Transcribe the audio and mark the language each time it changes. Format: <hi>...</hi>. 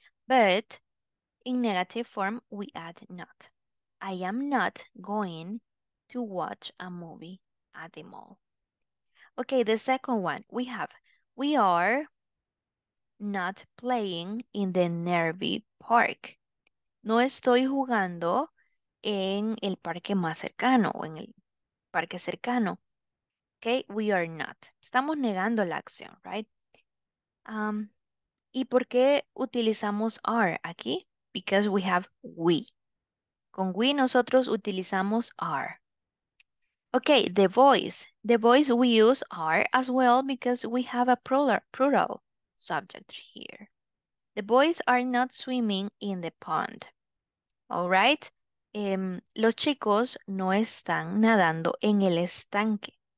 <en>But in negative form, we add not. I am not going to watch a movie at the mall. Okay, the second one we have, we are not playing in the nearby park.</en> <es>No estoy jugando en el parque más cercano o en el parque cercano.</es> <en>Okay, we are not.</en> <es>Estamos negando la acción, right? ¿Y por qué utilizamos are aquí?</es> <en>Because we have we.</en> <es>Con we nosotros utilizamos are.</es> <en>Okay, the voice. The voice we use are as well because we have a plural subject here. The boys are not swimming in the pond. All right?</en> <es>Los chicos no están nadando en el estanque.</es>